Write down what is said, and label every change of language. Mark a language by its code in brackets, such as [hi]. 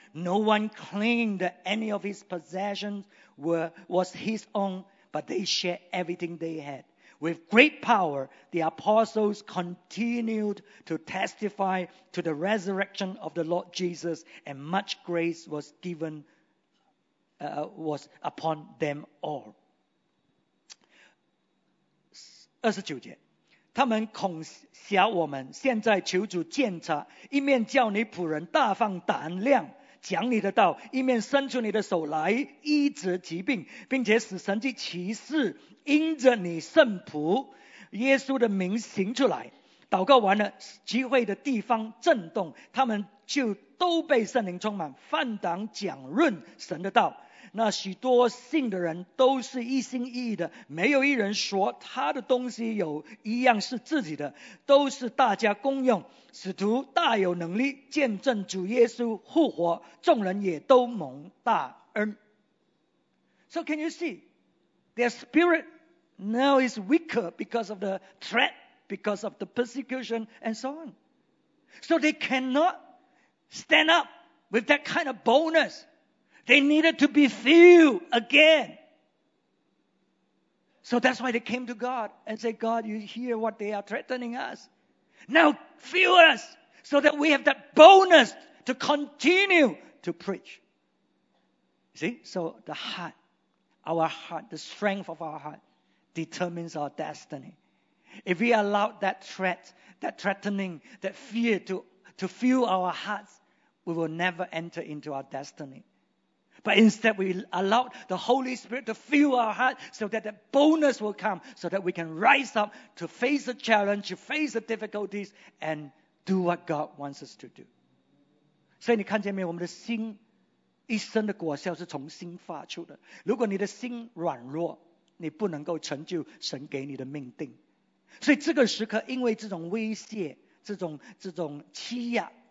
[en] No one claimed that any of his possessions was his own, but they shared everything they had. With great power, the apostles continued to testify to the resurrection of the Lord Jesus, and much grace was given was upon them all. [zh] 29节 他们恐吓我们，现在求主鉴察，一面叫你仆人大放胆量， 讲你的道，一面伸出你的手来医治疾病，并且使神迹奇事因着你圣仆耶稣的名行出来。祷告完了，集会的地方震动，他们就都被圣灵充满，放胆讲论神的道。那许多信的人都是一心一意的，没有一人说他的东西有一样是自己的，都是大家共用。使徒大有能力见证主耶稣复活，众人也都蒙大恩。 [en] So can you see? Their spirit now is weaker because of the threat, because of the persecution, and so on. So they cannot stand up with that kind of boldness. They needed to be filled again. So that's why they came to God and said, God, you hear what they are threatening us. Now fill us so that we have that boldness to continue to preach. See? So the heart, our heart, the strength of our heart determines our destiny. If we allow that threat, that threatening, that fear to fill our hearts, we will never enter into our destiny. But instead, we allow the Holy Spirit to fill our heart so that that boldness will come, so that we can rise up to face the challenge, to face the difficulties, and do what God wants us to do. [zh] 所以你看见没有，我们的心一生的果效是从心发出的。如果你的心软弱，你不能够成就神给你的命定。所以这个时刻，因为这种威胁，这种欺压。